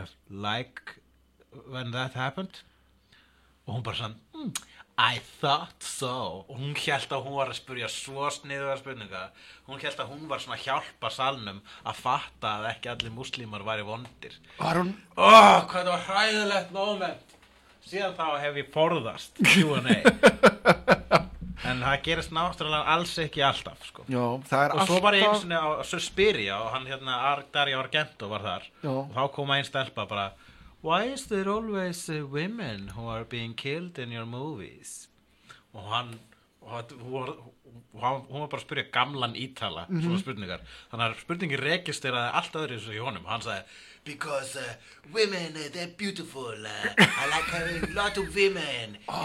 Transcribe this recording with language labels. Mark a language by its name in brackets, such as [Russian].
[English] like when that happened [Icelandic] og hún bara sann [English] I thought so [Icelandic] og hún hélt að hún var að spyrja svo sniðuga spurninga hún hélt að hún var svona hjálpa salnum að fatta að ekki allir múslímar væri vondir var hún oh, hvað það var hræðilegt moment síðan þá hef ég forðast Q&A en það gerist náttúrulega alls ekki alltaf sko. Já, það og alltaf... svo bara einu sinni á, svo spyr ég og hann hérna Dario Argento var þar Já. Og þá kom ein stelpa bara [English] Why is there always women who are being killed in your movies? [Icelandic] Og hann, hún var bara að spyrja gamlan ítala, mm-hmm. svona spurningar. Þannig að spurningin registeraði allt öðru eins og í honum. Hann sagði, [English] because women, they're beautiful. I like having a lot of women.